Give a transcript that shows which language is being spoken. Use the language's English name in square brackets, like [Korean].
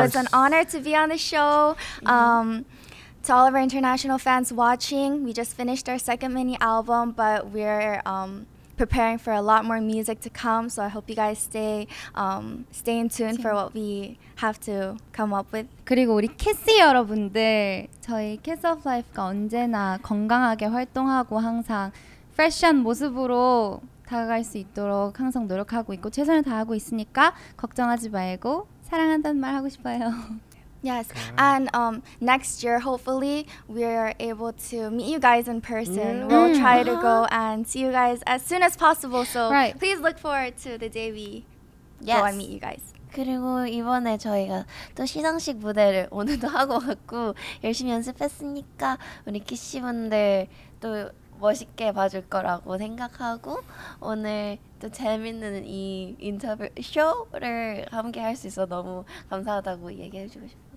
[English] it was an honor to be on the show. To all of our international fans watching, we just finished our second mini album, but we're preparing for a lot more music to come. So I hope you guys stay in tune for what we have to come up with. [Korean] 그리고 우리 키씨 여러분들, 저희 Kiss of Life가 언제나 건강하게 활동하고 항상 fresh한 모습으로 다가갈 수 있도록 항상 노력하고 있고 최선을 다하고 있으니까 걱정하지 말고 사랑한다는 말 하고 싶어요. [English] Yes, and next year, hopefully, we're able to meet you guys in person. Mm. We'll try to go and see you guys as soon as possible. So right. please look forward to the day we yes. go and meet you guys. [Korean] 그리고 이번에 저희가 또 시상식 무대를 오늘도 하고 왔고 열심히 연습했으니까 우리 키씨 분들 또 멋있게 봐줄 거라고 생각하고 오늘 또 재밌는 이 인터뷰 쇼를 함께 할 수 있어 너무 감사하다고 얘기해 주고 싶어요.